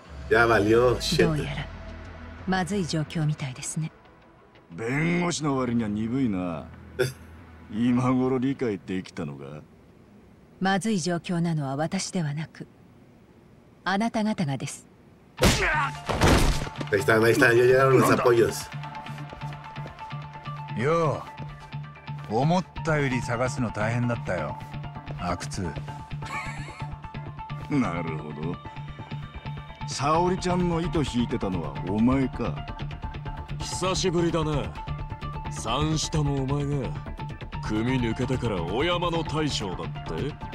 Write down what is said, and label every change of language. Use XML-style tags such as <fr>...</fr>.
<ja>やばりよ。どうやらまずい状況みたいですね。弁護士の割には鈍いな。今頃理解できたのか。まずい状況なのは私ではなくあなた方がです。</ja> <es>ahí están, ahí están, ya llegaron los apoyos.</es> <ja>よう、思ったより探すの大変だったよ、阿久津。なるほど、沙織ちゃんの糸引いてたのはお前か。久しぶりだな、三下のお前が組抜けてから小山の大将だって。</ja>